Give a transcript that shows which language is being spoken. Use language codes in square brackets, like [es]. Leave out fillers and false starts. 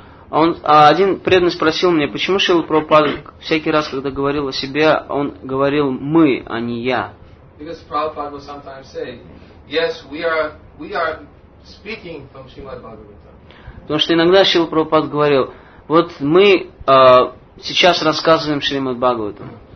[ru] Один преданный спросил меня, почему Шрила Прабхупада всякий раз, когда говорил о себе, он говорил «мы», а не «я». [en] Because Prabhupada would sometimes say, yes, we are speaking from Srimad Bhagavatam. [ru] Потому что иногда Шрила Прабхупад говорил, вот мы сейчас рассказываем Шримад Бхагаватам.